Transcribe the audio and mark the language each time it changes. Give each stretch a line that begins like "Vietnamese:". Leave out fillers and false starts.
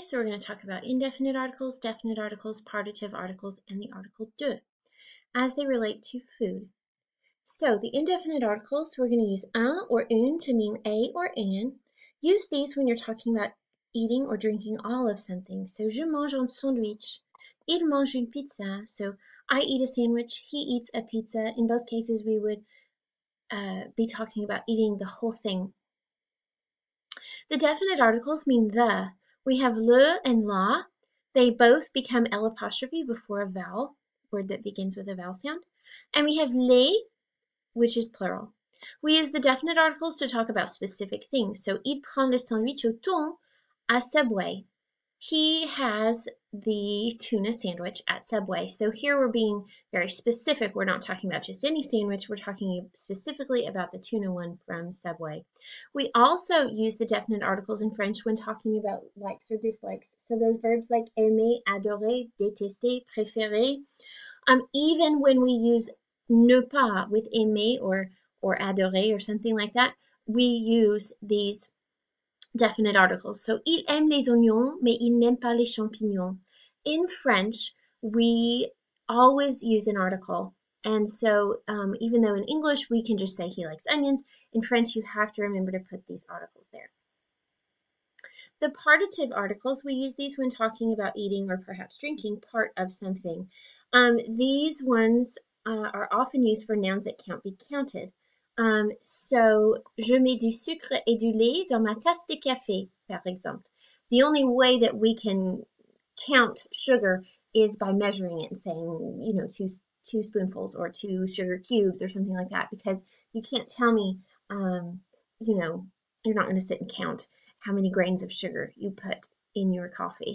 English: So we're going to talk about indefinite articles, definite articles, partitive articles, and the article de, as they relate to food. So the indefinite articles, we're going to use un or une to mean a or an. Use these when you're talking about eating or drinking all of something.
French: So je mange un sandwich, il mange une pizza.
English: So I eat a sandwich, he eats a pizza. In both cases, we would be talking about eating the whole thing. The definite articles mean the. We have le and la. They both become L apostrophe before a vowel, word that begins with a vowel sound. And we have les, which is plural. We use the definite articles to talk about specific things.
French: So il prend le sandwich au thon à Subway.
English: He has the tuna sandwich at Subway. So here we're being very specific. We're not talking about just any sandwich. We're talking specifically about the tuna one from Subway. We also use the definite articles in French when talking about likes or dislikes. So those verbs like aimer, adorer, détester, préférer. Even when we use ne pas with aimer or adorer or something like that, we use these definite articles.
French: So, il aime les oignons, mais il n'aime pas les champignons.
English: In French, we always use an article. And so, even though in English we can just say he likes onions, in French you have to remember to put these articles there. The partitive articles, we use these when talking about eating or perhaps drinking part of something. These ones are often used for nouns that can't be counted.
French: So, je mets du sucre et du lait dans ma tasse de café, par exemple.
English: The only way that we can count sugar is by measuring it and saying, you know, two spoonfuls or two sugar cubes or something like that, because you can't tell me, you know, you're not going to sit and count how many grains of sugar you put in your coffee.